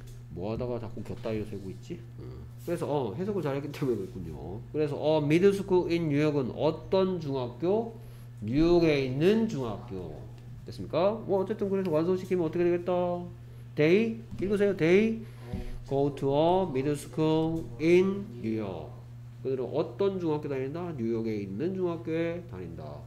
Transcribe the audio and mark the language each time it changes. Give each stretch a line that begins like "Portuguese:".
Korean: 뭐 하다가 자꾸 곁다리로 세고 있지? 그래서 해석을 잘했기 때문에 그랬군요. 그래서 미들스쿨 인 뉴욕은 어떤 중학교? 뉴욕에 있는 중학교. 됐습니까? 뭐 어쨌든 그래서 완성시키면 어떻게 되겠다? 데이? 읽으세요. 데이?
English: Go to a middle school in New York.
Korean: 그들은 어떤 중학교 다닌다? 뉴욕에 있는 중학교에 다닌다.